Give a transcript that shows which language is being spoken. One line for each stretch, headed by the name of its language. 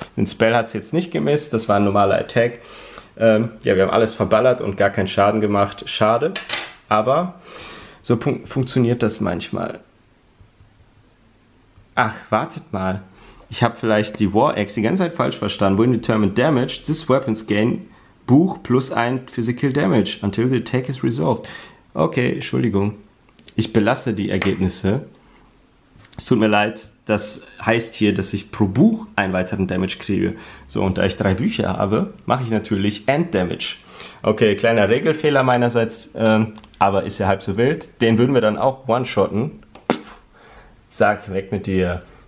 German: Den Spell hat es jetzt nicht gemisst, das war ein normaler Attack. Ja, wir haben alles verballert und gar keinen Schaden gemacht. Schade, aber so funktioniert das manchmal. Ach, wartet mal. Ich habe vielleicht die War Axe die ganze Zeit falsch verstanden.
English: When determined damage, this weapons gain Buch plus 1 physical damage until the attack is resolved.
German: Okay, Entschuldigung. Ich belasse die Ergebnisse. Es tut mir leid, das heißt hier, dass ich pro Buch einen weiteren Damage kriege. So, und da ich 3 Bücher habe, mache ich natürlich End Damage. Okay, kleiner Regelfehler meinerseits, aber ist ja halb so wild. Den würden wir dann auch one-shotten. Pff, zack, weg mit dir.